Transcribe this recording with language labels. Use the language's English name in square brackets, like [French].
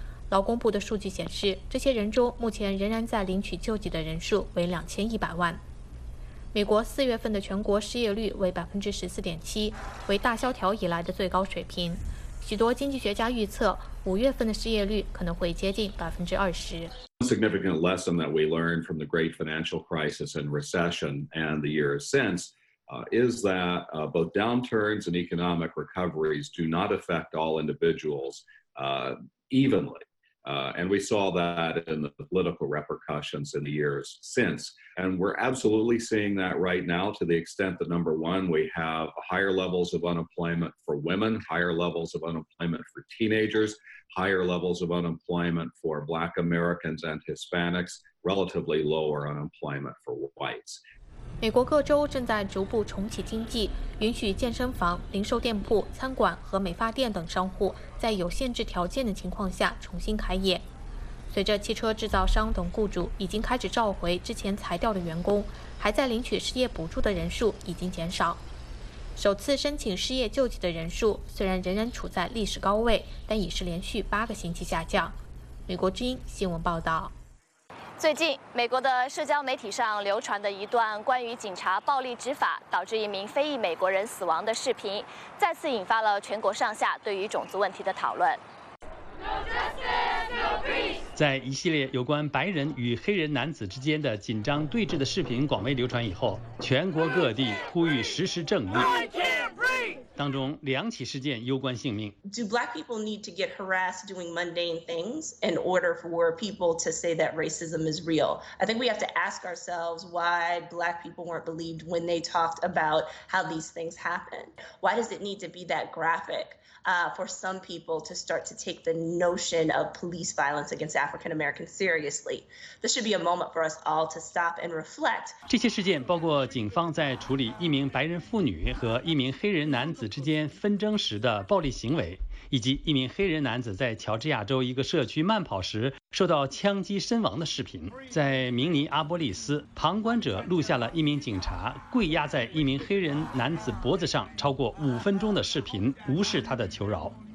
[Chinese] 劳工部的数据显示，这些人中目前仍然在领取救济的人数为2100万。美国四月份的全国失业率为14.7%，为大萧条以来的最高水平。许多经济学家预测，五月份的失业率可能会接近20%。 [English] Significant lesson that we learned from the Great Financial Crisis and recession and the years since, is that both downturns and economic recoveries do not affect all individuals, evenly. And we saw that in the political repercussions in the years since. And we're absolutely seeing that right now to the extent that, number one, we have higher levels of unemployment for women, higher levels of unemployment for teenagers, higher levels of unemployment for Black Americans and Hispanics, relatively lower unemployment for whites. [Chinese] 美国各州正在逐步重启经济，允许健身房、零售店铺、餐馆和美发店等商户在有限制条件的情况下重新开业。随着汽车制造商等雇主已经开始召回之前裁掉的员工，还在领取失业补助的人数已经减少。首次申请失业救济的人数虽然仍然处在历史高位，但已是连续8个星期下降。美国之音新闻报道。最近，美国的社交媒体上流传的一段关于警察暴力执法导致一名非裔美国人死亡的视频，再次引发了全国上下对于种族问题的讨论。在一系列有关白人与黑人男子之间的紧张对峙的视频广为流传以后，全国各地呼吁实施正义。当中两起事件攸关性命。 [English] Do black people need to get harassed doing mundane things in order for people to say that racism is real? I think we have to ask ourselves why black people weren't believed when they talked about how these things happen. Why does it need to be that graphic, for some people to start to take the notion of police violence against African Americans seriously? This should be a moment for us all to stop and reflect. [Chinese] 这些事件包括警方在处理一名白人妇女和一名黑人男子之间纷争时的暴力行为，以及一名黑人男子在乔治亚州一个社区慢跑时受到枪击身亡的视频。在明尼阿波利斯，旁观者录下了一名警察跪压在一名黑人男子脖子上超过5分钟的视频，无视他的求饶。